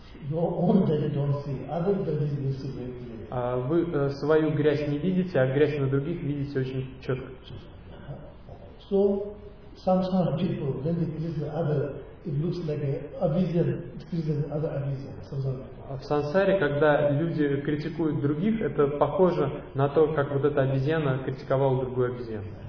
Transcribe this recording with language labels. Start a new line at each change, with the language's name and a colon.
Russian: Вы свою грязь не видите, а грязь на других видите очень четко.
English: So, sometimes people, when they visit other, it looks like a vision, criticizing other visions.
Russian: В сансаре, когда люди критикуют других, это похоже на то, как вот эта обезьяна критиковала другую обезьяну.